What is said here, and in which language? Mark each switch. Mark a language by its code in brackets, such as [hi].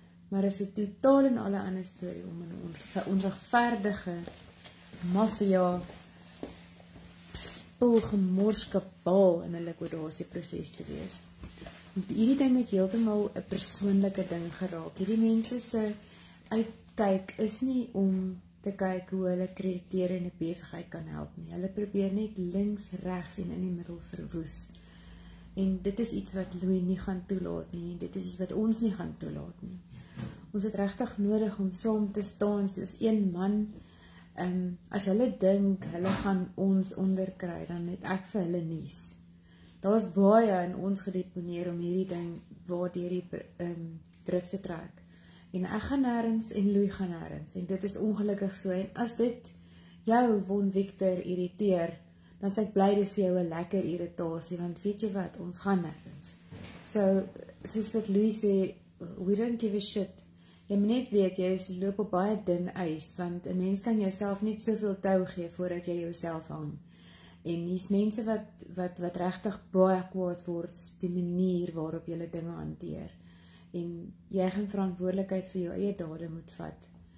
[af] Maar is dit totaal en alle ander storie om in 'n onregverdige mafia spul gemorskapaal in 'n likwidasieproses te wees. Hierdie ding het heeltemal 'n persoonlike ding geraak. Hierdie mense se uitkyk is nie om te kyk hoe hulle krediteure in 'n besigheid kan help nie. Hulle probeer net links, regs en in die middel verwoes. En dit is iets wat Louis nie gaan toelaat nie, en dit is iets wat ons nie gaan toelaat nie. Ons het regtig nodig om saam te staan soos een man. As hulle dink hulle gaan ons onderkry, dan het ek vir hulle nuus. Daar is baie in ons gedeponeer om hierdie ding waardeur die drif te trek. En ek gaan nêrens en Louis gaan nêrens, en dit is ongelukkig so. En as dit jou Von Victor irriteer, dan sê ek bly dis vir jou 'n lekker irritasie, want weet jy wat, ons gaan nêrens. [en] So, [af] soos wat Louis sê, [en] we don't give a shit. [af] Jy moet net weet, jy is loop op baie dun ys, want 'n mens kan jouself net soveel tou gee voordat jy jouself hang. En hier's mense wat regtig baie kwaad word die manier waarop jy dinge hanteer. En jy gaan verantwoordelikheid vir jou eie dade moet vat.